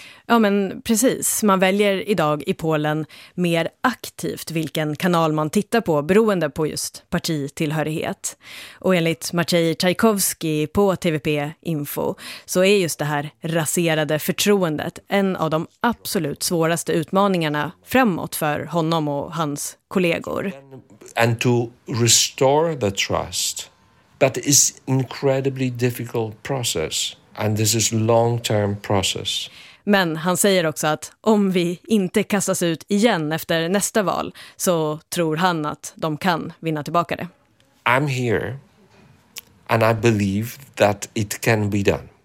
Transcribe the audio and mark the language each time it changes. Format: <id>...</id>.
<sv>Ja, men precis. Man väljer idag i Polen mer aktivt vilken kanal man tittar på, beroende på just partitillhörighet. Och enligt Maciej Tchaikovsky på TVP Info så är just det här raserade förtroendet en av de absolut svåraste utmaningarna framåt för honom och hans kollegor.</sv> <en>And to restore the trust, that is incredibly difficult process, and this is long-term process.</en> <sv>Men han säger också att om vi inte kastas ut igen efter nästa val, så tror han att de kan vinna tillbaka det.</sv> <en>I'm here and I believe that it can be done.</en>